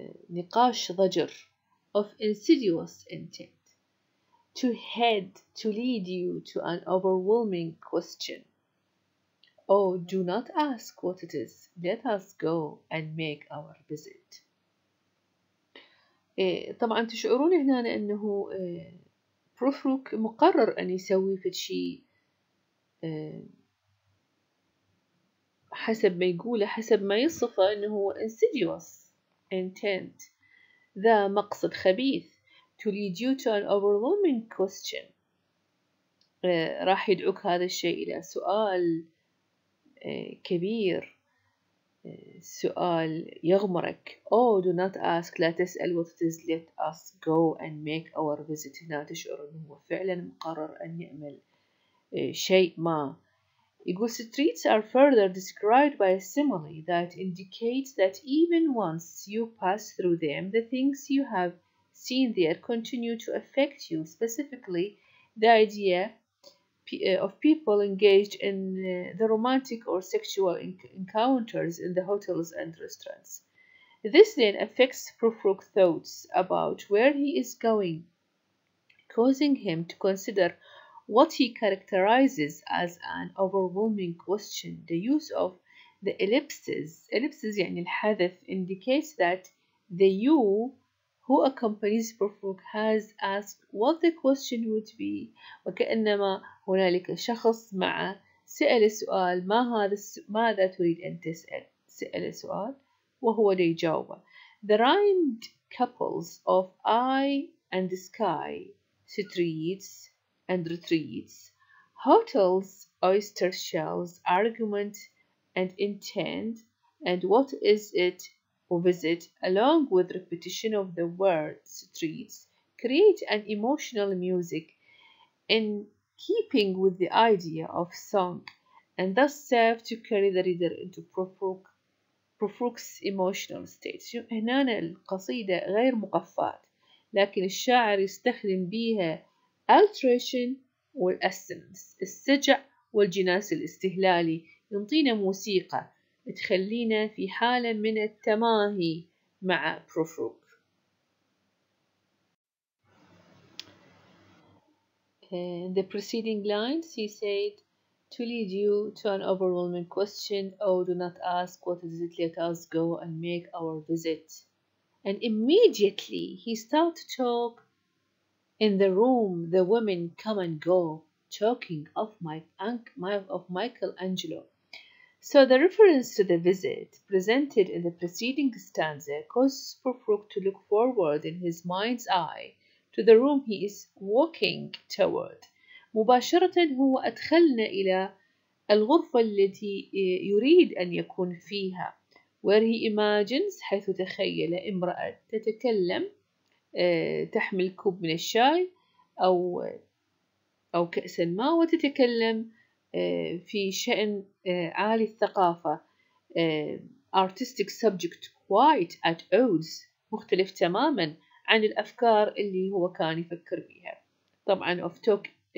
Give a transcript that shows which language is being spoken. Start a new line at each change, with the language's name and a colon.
Arabic: نقاش ضجر
English: of insidious intent. To lead you to an overwhelming question. Oh, do not ask what it is. Let us go and make our visit.
Arabic: طبعا تشعرون هنا أنه بروفروك مقرر أن يسوي في شيء حسب ما يقوله حسب ما يصفه أنه
English: insidious intent
Arabic: ذا مقصد خبيث
English: to lead you to an overwhelming question
Arabic: راح يدعوك هذا الشيء إلى سؤال كبير سؤال يغمرك.
English: Oh, do not ask.
Arabic: لا تسأل.
English: What it is. Let us go and make our visit.
Arabic: هنا تشعر أنه فعلا مقرر أن يعمل شيء ما. يقول
English: streets are further described by a simile that indicates that even once you pass through them, the things you have seen there continue to affect you. Specifically, the idea of people engaged in the romantic or sexual encounters in the hotels and restaurants. This then affects Prufrock's thoughts about where he is going, causing him to consider what he characterizes as an overwhelming question. The use of the ellipses
Arabic: يعني الحذف
English: indicates that the you who accompanies Prufrock has asked what the question would be.
Arabic: وكأنما هنالك شخص معه سأل السؤال ما هذا ماذا تريد أن تسأل سأل السؤال وهو يجاوب.
English: The rhymed couples of eye and sky, streets and retreats, hotels, oyster shells, argument and intent, and what is it or visit, along with repetition of the word streets, create an emotional music in keeping with the idea of song, and thus serve to carry the reader into Prufrock's emotional state.
Arabic: هنا القصيدة غير مقفات لكن الشاعر يستخدم بها alteration والassonance السجع والجناس الاستهلالي ينطينا موسيقى تخلينا في حالة من التماهي مع بروفروك.
English: In the preceding lines he said to lead you to an overwhelming question, oh do not ask what is it, let us go and make our visit. And immediately he started to talk in the room, the women come and go, talking of Michelangelo. So the reference to the visit presented in the preceding stanza causes Prufrock to look forward in his mind's eye to the room he is walking toward.
Arabic: مباشرة هو أدخلنا إلى الغرفة التي يريد أن يكون فيها
English: where he imagines
Arabic: حيث تخيل امرأة تتكلم تحمل كوب من الشاي أو كأسا ما وتتكلم في شأن عالي الثقافة
English: artistic subject quite at odds
Arabic: مختلف تماما عن الأفكار اللي هو كان يفكر بها طبعا
English: of talk